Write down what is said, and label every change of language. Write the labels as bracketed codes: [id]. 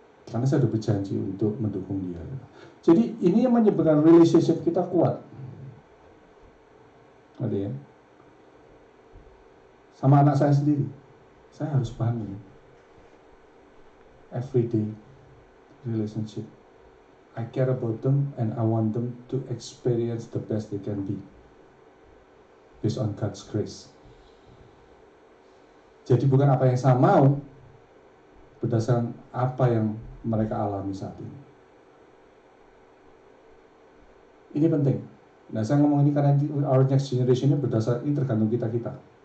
[id] Karena saya sudah berjanji untuk mendukung dia. Jadi ini yang menyebabkan relationship kita kuat. Ngerti ya? Sama anak saya sendiri, saya harus bangun. [en] Everyday relationship. I care about them and I want them to experience the best they can be. Based on God's grace. [id] Jadi bukan apa yang saya mau, berdasarkan apa yang mereka alami saat ini. Ini penting. Nah saya ngomong ini karena [en] our next generation [id] ini berdasarkan, ini tergantung kita-kita.